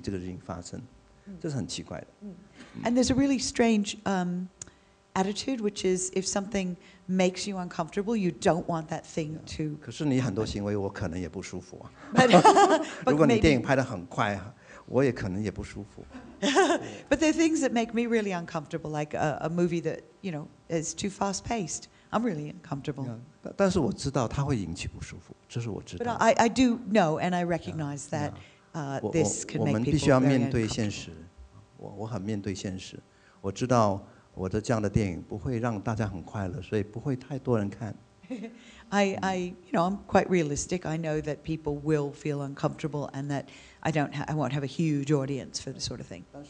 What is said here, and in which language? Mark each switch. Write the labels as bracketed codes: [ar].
[zh] 而且有很多状态是你不舒服，你就不允许这个事情发生，这是很奇怪的。 [en] And there's a really strange attitude, which is if something makes you uncomfortable, you don't want that thing to. [zh] 可是你很多行为，我可能也不舒服。如果你电影拍得很快，我也可能也不舒服。 [en] But there are things that make me really uncomfortable, like a movie that, you know, is too fast-paced. I'm really uncomfortable. Yeah, [zh] 但是我知道它会引起不舒服，这是我知道。 [en] But I do know and I recognize that this can make people very uncomfortable. [zh] 我们必须要面对现实，我很面对现实。我知道我的这样的电影不会让大家很快乐，所以不会太多人看。 [en] I you know, I'm quite realistic. I know that people will feel uncomfortable and that I won't have a huge audience for this sort of thing.